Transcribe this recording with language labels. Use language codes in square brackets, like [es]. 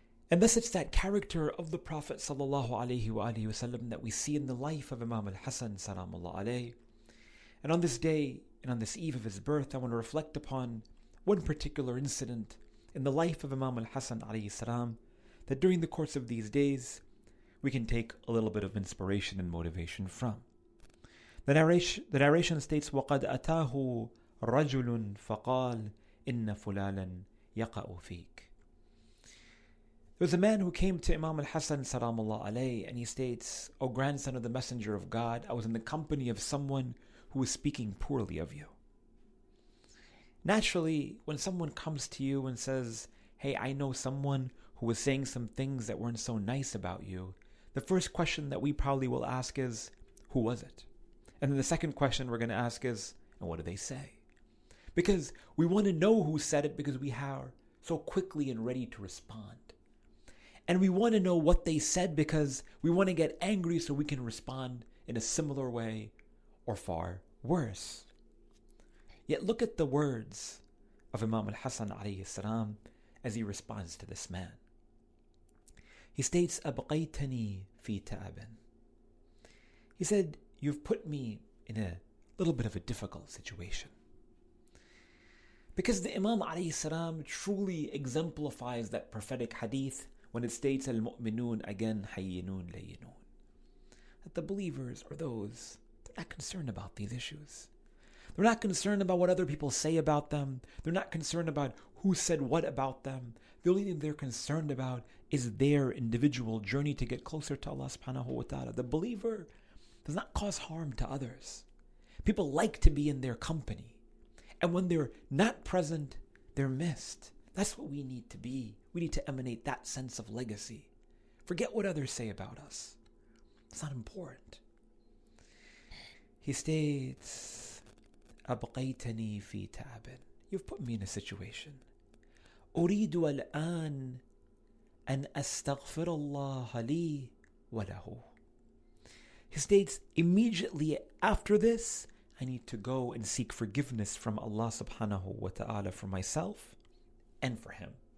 [en] And thus it's that character of the Prophet sallallahu alayhi wa alayhi wa sallam that we see in the life of Imam al-Hasan salamullah alayhi. And on this day, and on this eve of his birth, I want to reflect upon one particular incident in the life of Imam al-Hasan alayhi salam that during the course of these days, we can take a little bit of inspiration and motivation from. The narration states, [ar] وَقَدْ أَتَاهُ رَجُلٌ فَقَالْ إِنَّ فُلَالًا يَقَأُ فِيكَ. [en] There was a man who came to Imam al-Hasan salamullah alayhi and he states, O grandson of the Messenger of God, I was in the company of someone who was speaking poorly of you. Naturally, when someone comes to you and says, hey, I know someone who was saying some things that weren't so nice about you, the first question that we probably will ask is, who was it? And then the second question we're going to ask is, and what do they say? Because we want to know who said it because we are so quickly and ready to respond. And we want to know what they said because we want to get angry so we can respond in a similar way or far worse. Yet look at the words of Imam al-Hasan alayhi salam as he responds to this man. [ar] He states, أَبْقَيْتَنِي فِي تَعَبٍ. [en] He said, you've put me in a little bit of a difficult situation. Because the Imam alayhi salam truly exemplifies that prophetic hadith when it states [ar] al-mu'minun again hayyinun layyinun, [en] that the believers are those, they're not concerned about these issues. They're not concerned about what other people say about them. They're not concerned about who said what about them. The only thing they're concerned about is their individual journey to get closer to Allah subhanahu wa ta'ala. The believer does not cause harm to others. People like to be in their company. And when they're not present, they're missed. That's what we need to be. We need to emanate that sense of legacy. Forget what others say about us. It's not important. [ar] He states, أَبْقَيْتَنِي فِي تَعَبٍ. [en] You've put me in a situation. [ar] أُرِيدُ الْآنْ أَنْ أَسْتَغْفِرَ اللَّهَ لِي وَلَهُ. [en] He states, immediately after this, I need to go and seek forgiveness from Allah subhanahu wa ta'ala for myself and for him.